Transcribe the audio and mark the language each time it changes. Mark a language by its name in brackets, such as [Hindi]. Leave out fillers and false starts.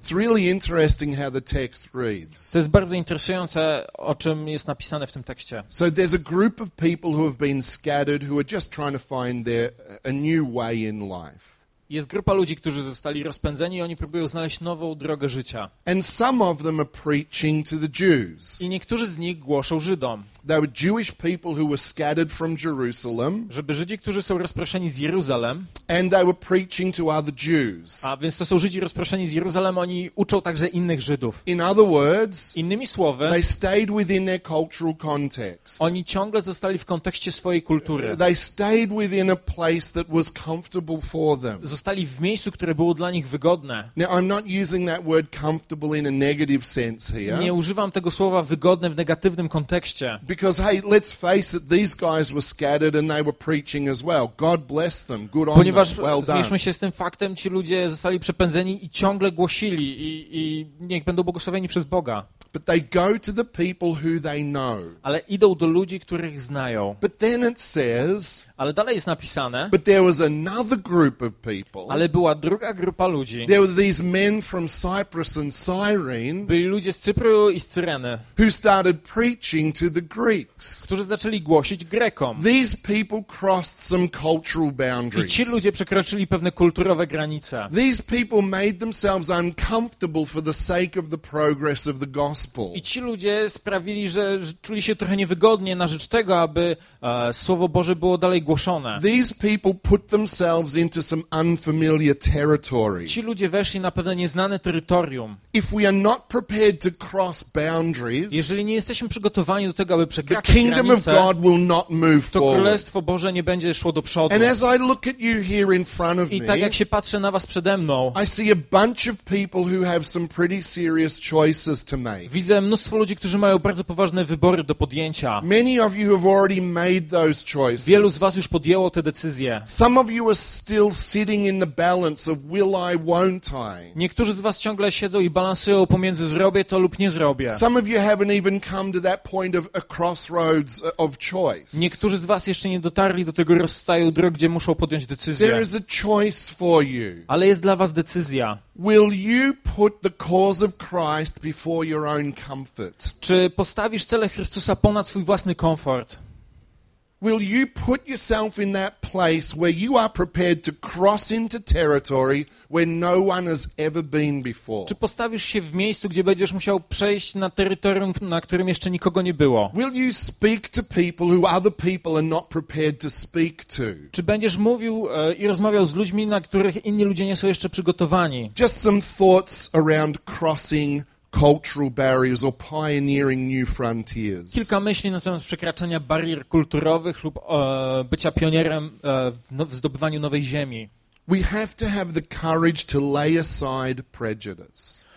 [English] It's really interesting how the text reads. [Polish] To jest bardzo interesujące, o czym jest napisane w tym tekście. [English] So there's a group of people who have been scattered, who are just trying to find a new way in life. [Polish] Jest grupa ludzi, którzy zostali rozpędzeni i oni próbują znaleźć nową drogę życia. [English] And some of them are preaching to the Jews. [Polish] I niektórzy z nich głoszą Żydom. [English] They were Jewish people who were scattered from Jerusalem. [Polish] Żeby Żydzi, którzy są rozproszeni z Jeruzalem. [English] And they were preaching to other Jews. [Polish] A więc to są Żydzi rozproszeni z Jeruzalem, oni uczą także innych Żydów. [English] In other words, [Polish] innymi słowy, [English] they stayed within their cultural context. [Polish] Oni ciągle zostali w kontekście swojej kultury. [English] They stayed within a place that was comfortable for them. [Polish] Zostali w miejscu, które było dla nich wygodne. [English] Now, I'm not using that word comfortable in a negative sense here. [Polish] Nie używam tego słowa wygodne w negatywnym kontekście. [English] Because hey, let's face it, these guys were scattered and they were preaching as well. God bless them. Good on [Polish] Ponieważ [English] them. Well done. [Polish] Zmierzmy się z tym faktem, ci ludzie zostali przepędzeni i ciągle głosili i niech będą błogosławieni przez Boga. [English] But they go to the people who they know. [Polish] Ale idą do ludzi, których znają. [English] But then it says. [Polish] Ale dalej jest napisane. [English] But there was another group of people. [Polish] Ale była druga grupa ludzi. [English] There were these men from Cyprus and Cyrene. [Polish] Byli ludzie z Cypru i z Cyreny. [English] Who started preaching to the Greeks. [Polish] Którzy zaczęli głosić Grekom. [English] These people crossed some cultural boundaries. [Polish] I ci ludzie przekroczyli pewne kulturowe granice. [English] These people made themselves uncomfortable for the sake of the progress of the gospel. [Polish] I ci ludzie sprawili, że czuli się trochę niewygodnie na rzecz tego, aby Słowo Boże było dalej głoszone. [English] These people put themselves into some unfamiliar territory. [Polish] Ci ludzie weszli na pewne nieznane terytorium. [English] If we are not prepared to cross boundaries, [Polish] jeżeli nie jesteśmy przygotowani do tego, aby przekraczać [English] the kingdom [Polish] granice, [English] of God will not move [Polish] to Królestwo Boże nie będzie szło do przodu. [English] And as I look at you here in front of [Polish] I tak jak się patrzę na was przede mną, [English] I see a bunch of people who have some pretty serious choices to make. [Polish] Widzę mnóstwo ludzi, którzy mają bardzo poważne wybory do podjęcia. [English] Many of you have already made those choices. [Polish] Wielu z was już podjęło te decyzje. [English] Some of you are still sitting in the balance of will I, won't I. [Polish] Niektórzy z was ciągle siedzą i balansują pomiędzy zrobię to lub nie zrobię. [English] Some of you haven't even come to that point of a crossroads of choice. [Polish] Niektórzy z was jeszcze nie dotarli do tego rozstaju drog, gdzie muszą podjąć decyzję. [English] There is a choice for you. [Polish] Ale jest dla was decyzja. [English] Will you put the cause of Christ before your own comfort? [Polish] Czy postawisz cele Chrystusa ponad swój własny komfort? [English] Will you put yourself in that place where you are prepared to cross into territory where no one has ever been before? [Polish] Czy postawisz się w miejscu, gdzie będziesz musiał przejść na terytorium, na którym jeszcze nikogo nie było? [English] Will you speak to people who other people are not prepared to speak to? [Polish] Czy będziesz mówił i rozmawiał z ludźmi, na których inni ludzie nie są jeszcze przygotowani? [English] Just some thoughts around crossing cultural barriers or pioneering new frontiers. [Polish] Kilka myśli na temat przekraczania barier kulturowych lub bycia pionierem w zdobywaniu nowej ziemi. [English] We have to have the courage to lay aside prejudice.